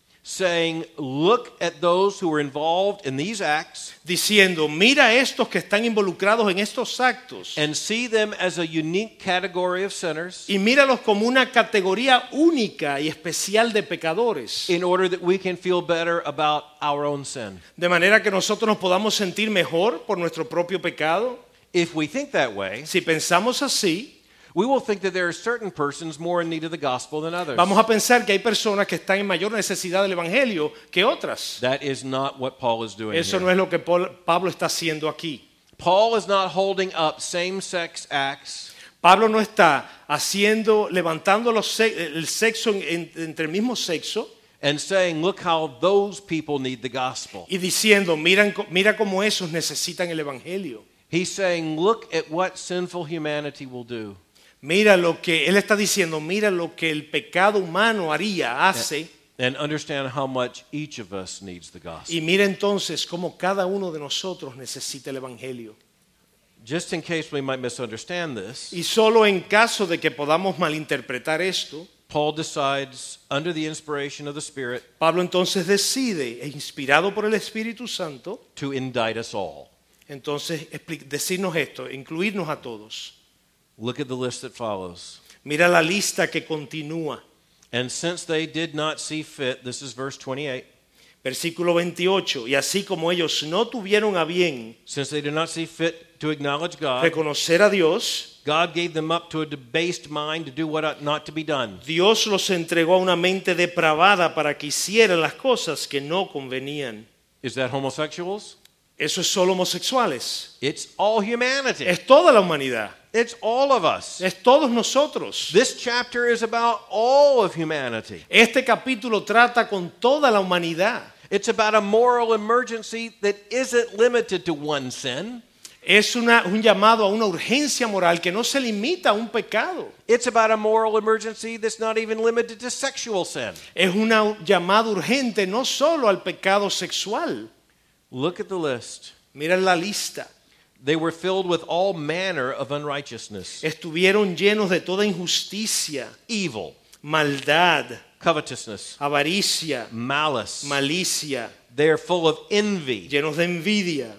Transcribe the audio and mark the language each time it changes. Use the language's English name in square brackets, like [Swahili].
[English] saying, "Look at those who are involved in these acts." [Spanish] Diciendo, mira estos que están involucrados en estos actos. [English] And see them as a unique category of sinners. [Spanish] Y míralos como una categoría única y especial de pecadores. [English] In order that we can feel better about our own sin. [Spanish] De manera que nosotros nos podamos sentir mejor por nuestro propio pecado. [English] If we think that way, [Spanish] si pensamos así, [English] we will think that there are certain persons more in need of the gospel than others. [Spanish] Vamos a pensar que hay personas que están en mayor necesidad del evangelio que otras. [English] That is not what Paul is doing. [Spanish] Eso no es lo que Pablo está haciendo aquí. [English] Paul is not holding up same-sex acts. [Spanish] Pablo no está haciendo levantando el sexo entre el mismo sexo. [English] And saying, "Look how those people need the gospel." [Spanish] Y diciendo, mira cómo esos necesitan el evangelio. [English] He's saying, "Look at what sinful humanity will do." [Spanish] Mira lo que él está diciendo. Mira lo que el pecado humano haría, hace. [English] And understand how much each of us needs the gospel. [Spanish] Y mira entonces cómo cada uno de nosotros necesita el evangelio. [English] Just in case we might misunderstand this. [Spanish] Y solo en caso de que podamos malinterpretar esto. [English] Paul decides, under the inspiration of the Spirit. [Spanish] Pablo entonces decide, inspirado por el Espíritu Santo, [English] to indict us all. [Spanish] Entonces, decirnos esto, incluirnos a todos. [English] Look at the list that follows. [Spanish] Mira la lista que continúa. [English] And since they did not see fit, this is verse 28. [Spanish] Versículo 28. Y así como ellos no tuvieron a bien, [English] since they did not see fit to acknowledge God, [Spanish] reconocer a Dios, [English] God gave them up to a debased mind to do what ought not to be done. [Spanish] Dios los entregó a una mente depravada para que hicieran las cosas que no convenían. [English] Is that homosexuals? [Spanish] Eso es solo homosexuales. [English] It's all humanity. [Spanish] Es toda la humanidad. [English] It's all of us. [Spanish] Es todos nosotros. [English] This chapter is about all of humanity. [Spanish] Este capítulo trata con toda la humanidad. [English] It's about a moral emergency that isn't limited to one sin. [Spanish] Es un llamado a una urgencia moral que no se limita a un pecado. [English] It's about a moral emergency that's not even limited to sexual sin. [Spanish] Es un llamado urgente no solo al pecado sexual. [English] Look at the list. [Spanish] Mira la lista. [English] They were filled with all manner of unrighteousness. [Spanish] Estuvieron llenos de toda injusticia. [English] Evil. [Spanish] Maldad. [English] Covetousness. [Spanish] Avaricia. [English] Malice. [Spanish] Malicia. [English] They are full of envy. [Spanish] Llenos de envidia.